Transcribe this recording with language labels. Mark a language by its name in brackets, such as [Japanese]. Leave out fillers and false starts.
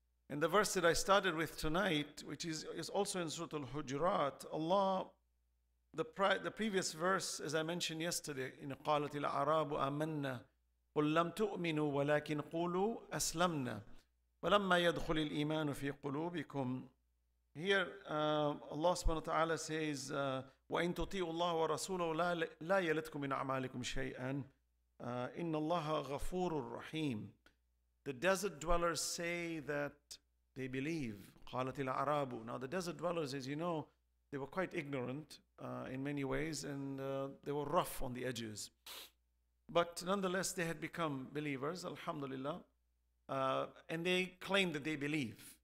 [English] And the verse that I started with tonight, which is also in Surah Al-Hujurat, Allah, the previous verse, as I mentioned yesterday, in [Arabic] قَالَتِ الْعَرَابُ أَمَنَّا قُلْ لَمْ تُؤْمِنُوا وَلَكِنْ قُولُوا أَسْلَمْنَا وَلَمَّا يَدْخُلِ الْإِيمَانُ فِي قُلُوبِكُمْ. [English] Here, Allah subhanahu wa ta'ala says, [Arabic] وَإِنْ تُطِيعُوا اللَّهَ وَرَسُولَهُ لَا يَلِتْكُمْ مِنْ أَعْمَالِكُمْ شَيْئًا إِنَّ اللَّهَ غَفُورٌ رَحِيمٌ. [English] The desert dwellers say that they believe. [Arabic] قَالَتِ الْعَرَابُ. [English] Now the desert dwellers, as you know, they were quite ignorant in many ways, and they were rough on the edges. But nonetheless, they had become believers, alhamdulillah. And they claim that they believe.